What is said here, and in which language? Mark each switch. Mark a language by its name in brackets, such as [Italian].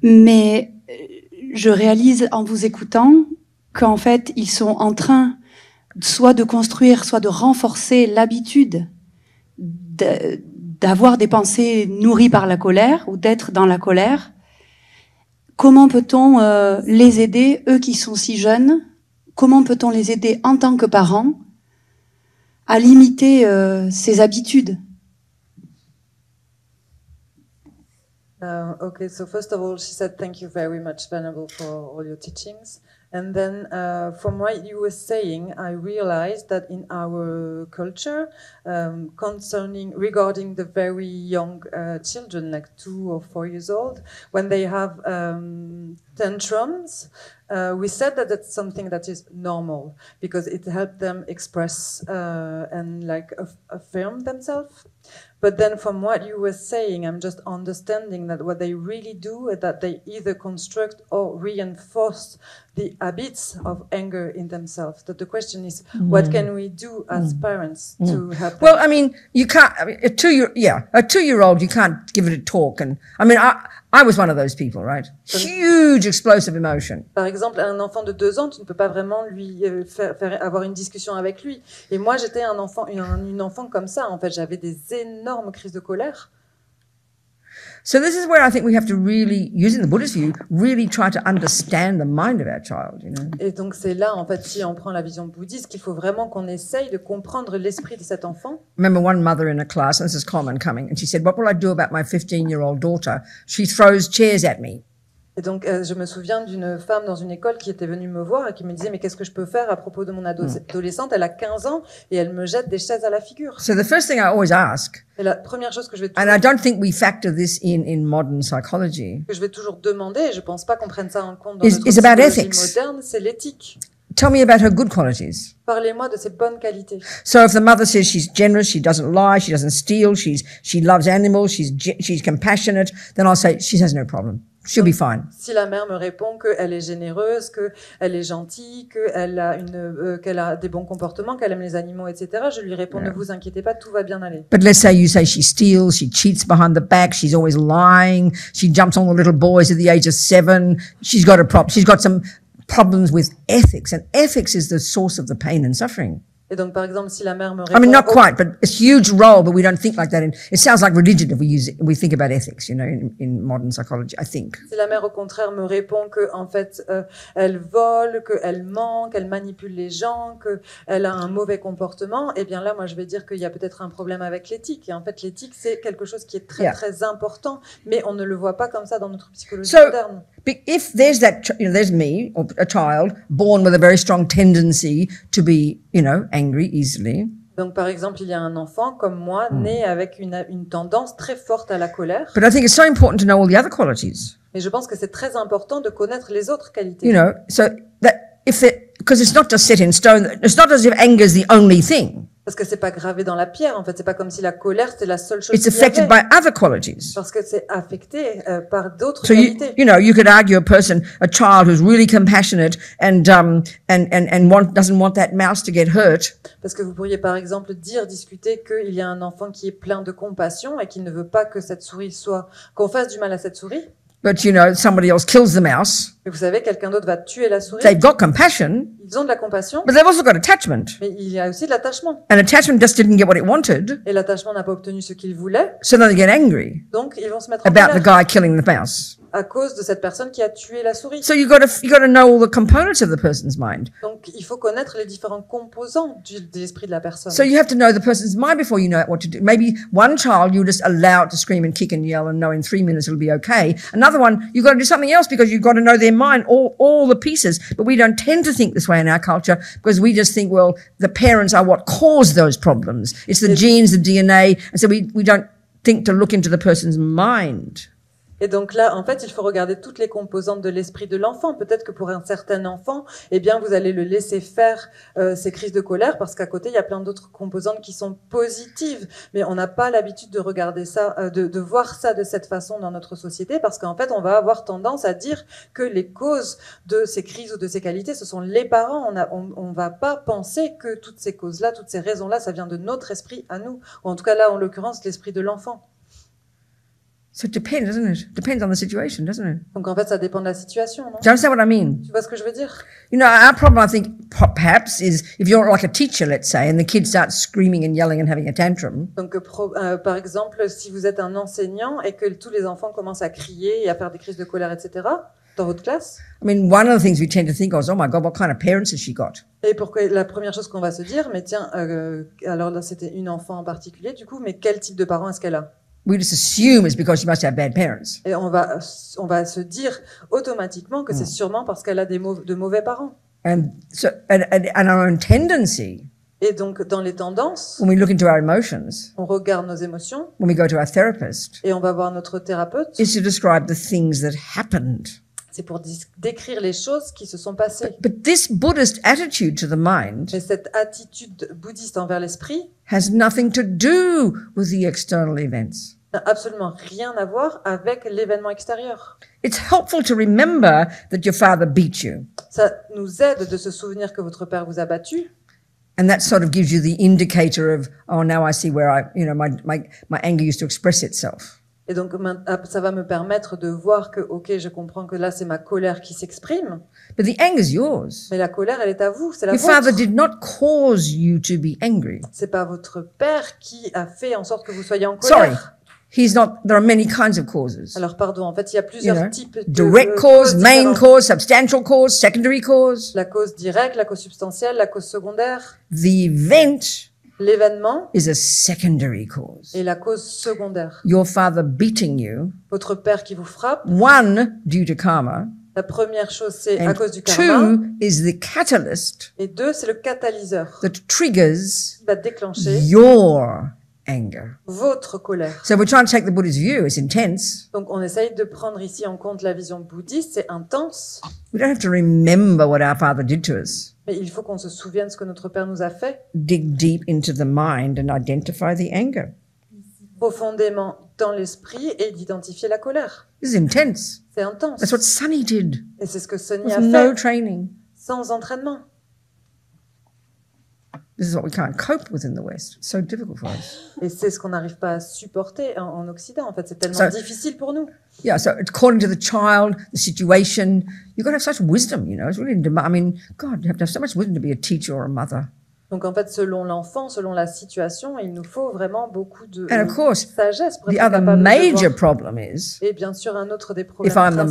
[French] Mais je réalise, en vous écoutant, qu'en fait, ils sont en train soit de construire, soit de renforcer l'habitude d'avoir des pensées nourries par la colère ou d'être dans la colère. Comment peut-on les aider, eux qui sont si jeunes, comment peut-on les aider en tant que parents à limiter ces habitudes? [English] Okay, so first of all, she said thank you very much, Venerable, for all your teachings. And then from what you were saying, I realized that in our culture, regarding the very young children, like 2 or 4 years old, when they have tantrums, we said that that's something that is normal because it helped them express and like affirm themselves. But then from what you were saying, I'm just understanding that what they really do is that they either construct or reinforce the habits of anger in themselves. That the question is, what can we do as parents to help them? Well, I mean, you can't, a two-year-old, you can't give it a talk. And I mean, I was one of those people, right? Huge explosive emotion. [French] Par exemple, un enfant de 2 ans, tu ne peux pas vraiment lui faire avoir une discussion avec lui. Et moi, j'étais un enfant, une enfant comme ça. En fait, j'avais des énormes crises de colère. [English] So this is where I think we have to really, using the Buddhist view, really try to understand the mind of our child. You know. [French] Et donc c'est là, en fait, si on prend la vision bouddhiste, qu'il faut vraiment qu'on essaye de comprendre l'esprit de cet enfant. [English] Remember one mother in a class, and this is common coming, and she said, "What will I do about my 15-year-old daughter? She throws chairs at me." [French] Et donc, je me souviens d'une femme dans une école qui était venue me voir et qui me disait, mais qu'est-ce que je peux faire à propos de mon adolescente? Elle a 15 ans et elle me jette des chaises à la figure. [English] So the first thing I always ask, [French] et la première chose que je vais toujours, [English] and I don't think we factor this in modern psychology, [French] que je vais toujours demander, et je ne pense pas qu'on prenne ça en compte dans notre psychologie [English] ethics. [French] Moderne, c'est l'éthique. [English] Tell me about her good qualities. [French] Parlez-moi de ses bonnes qualités. [English] So if the mother says she's generous, she doesn't lie, she doesn't steal, she loves animals, she's compassionate, then I'll say she has no problem. She'll be fine. [French] Si la mère me répond qu'elle est généreuse, qu'elle est gentille, qu'elle a des bons comportements, qu'elle aime les animaux, etc., je lui réponds, yeah, ne vous inquiétez pas, tout va bien aller. [English] But let's say you say she steals, she cheats behind the back, she's always lying, she jumps on the little boys at the age of 7, she's got a problem, she's got some problems with ethics, and ethics is the source of the pain and suffering. [French] Et donc, par exemple, si la mère me répond, [English] I mean, not quite, but it's a huge role, but we don't think like that. And it sounds like religion if we think about ethics, you know, in modern psychology, I think. [French] Si la mère, au contraire, me répond que, en fait, elle vole, qu'elle ment, qu'elle manipule les gens, qu'elle a un mauvais comportement, eh bien là, moi, je vais dire qu'il y a peut-être un problème avec l'éthique. Et en fait, l'éthique, c'est quelque chose qui est très, yeah, très important, mais on ne le voit pas comme ça dans notre psychologie moderne. [English] But if there's that, you know, there's me, or a child, born with a very strong tendency to be, you know, angry easily. [French] Donc, par exemple, il y a un enfant comme moi, né avec une tendance très forte à la colère. [English] But I think it's so important to know all the other qualities. [French] Mais je pense que c'est très important de connaître les autres qualités. [English] You know, so that if it, because it's not just set in stone, it's not as if anger is the only thing. [French] Parce que c'est pas gravé dans la pierre, en fait. C'est pas comme si la colère, c'est la seule chose [English] qui affected by other qualities. [French] Parce que c'est affecté par d'autres [English] so [French] qualités. [English] You know, you could argue a person, a child who's really compassionate doesn't want that mouse to get hurt. [French] Parce que vous pourriez, par exemple, discuter qu'il y a un enfant qui est plein de compassion et qui ne veut pas que cette souris soit, qu'on fasse du mal à cette souris. [English] But you know, somebody else kills the mouse. [French] Mais vous savez, quelqu'un d'autre va tuer la souris. [English] They've got compassion. [French] Ils ont de la compassion. [English] But they've also got attachment. [French] Mais il y a aussi de l'attachement. [English] And attachment just didn't get what it wanted. [French] Et l'attachement n'a pas obtenu ce qu'il voulait. [English] So then they get angry. [French] Donc ils vont se mettre [English] about [French] en colère. [English] About the guy killing the mouse. [French] À cause de cette personne qui a tué la souris. [English] So you got to know all the components of the person's mind. [French] Donc il faut connaître les différents composants de l'esprit de la personne. [English] So you have to know the person's mind before you know what to do. Maybe one child you just allow it to scream and kick and yell and know in 3 minutes it'll be okay. Another one you got to do something else because you've got to know their mind, all the pieces. But we don't tend to think this way in our culture because we just think, well, the parents are what caused those problems. It's the genes, the DNA, and so we don't think to look into the person's mind. [French] Et donc là, en fait, il faut regarder toutes les composantes de l'esprit de l'enfant. Peut-être que pour un certain enfant, eh bien, vous allez le laisser faire ses crises de colère parce qu'à côté, il y a plein d'autres composantes qui sont positives. Mais on n'a pas l'habitude de regarder ça, de voir ça de cette façon dans notre société parce qu'en fait, on va avoir tendance à dire que les causes de ces crises ou de ces qualités, ce sont les parents. On va pas penser que toutes ces causes-là, toutes ces raisons-là, ça vient de notre esprit à nous. Ou en tout cas, là, en l'occurrence, l'esprit de l'enfant. [English] So it depends, doesn't it? Depends on the situation, doesn't it? [French] Donc en fait, ça dépend de la situation, non? [English] Do you understand what I mean? [French] Tu vois ce que je veux dire? [English] You know, our problem, I think, perhaps, is if you're like a teacher, let's say, and the kids start screaming and yelling and having a tantrum. [French] Donc, par exemple, si vous êtes un enseignant et que tous les enfants commencent à crier et à faire des crises de colère, etc., dans votre classe. [English] I mean, one of the things we tend to think of is, oh my God, what kind of parents has she got? [French] Et pourquoi la première chose qu'on va se dire, mais tiens, alors là, c'était une enfant en particulier, du coup, mais quel type de parents est-ce qu'elle a? [English] We just assume it's because she must have bad parents. [French] Et on va se dire automatiquement que c'est sûrement parce qu'elle a de mauvais parents. [English] And our own tendency. [French] Et donc dans les tendances. [English] When we look into our emotions. [French] On regarde nos émotions. [English] When we go to our therapist. [French] Et on va voir notre thérapeute. [English] Is to describe the things that happened. [French] C'est pour décrire les choses qui se sont passées. [English] But this Buddhist attitude to the mind. [French] Mais cette attitude bouddhiste envers l'esprit. [English] Has nothing to do with the external events. [French] N'a absolument rien à voir avec l'événement extérieur. [English] It's helpful to remember that your father beat you. [French] Ça nous aide de se souvenir que votre père vous a battu. [English] And that sort of gives you the indicator of, oh, now I see where I, you know, my anger used to express itself. [French] Et donc ça va me permettre de voir que, ok, je comprends que là c'est ma colère qui s'exprime. [English] But the anger is yours. [French] Mais la colère, elle est à vous, c'est la [English] Your [French] vôtre. [English] Your father did not cause you to be angry. [French] C'est pas votre père qui a fait en sorte que vous soyez en colère. [English] Sorry, he's not. There are many kinds of causes. [French] Alors pardon, en fait, il y a plusieurs types [English] direct [French] de causes. [English] Direct cause, main cause, substantial cause, secondary cause. [French] La cause directe, la cause substantielle, la cause secondaire. [English] The event [French] L'événement [English] is a secondary cause. [French] Est la cause secondaire. [English] Your father beating you. [French] Votre père qui vous frappe. [English] One, due to karma. [French] La première chose, c'est à cause du karma. [English] Two is the catalyst. [French] Et deux, c'est le catalyseur. [English] That triggers. [French] Va déclencher. [English] Your anger. [French] Votre colère. [English] So we're trying to take the Buddhist view. It's intense. [French] Donc on essaye de prendre ici en compte la vision bouddhiste. C'est intense. [English] We don't have to remember what our father did to us. [French] Mais il faut qu'on se souvienne ce que notre père nous a fait. [English] Dig deep into the mind and identify the anger. [French] Profondément dans l'esprit et d'identifier la colère. [English] This is intense. [French] C'est intense. [English] That's what Sunny did. [French] Et c'est ce que Sunny a fait. [English] With no training. [French] Sans entraînement. [English] This is what we can't cope with in the West. It's so difficult for us. [French] Et c'est ce qu'on n'arrive pas à supporter en Occident. En fait, c'est tellement difficile pour nous. [English] Yeah, so according to the child, the situation, you've got to have such wisdom, you know. It's really, I mean, God, you have to have so much wisdom to be a teacher or a mother. [French] Donc en fait, selon l'enfant, selon la situation, il nous faut vraiment beaucoup de sagesse pour être capable de voir. [English] The other major problem is, [French] et bien sûr, un autre des problèmes principaux,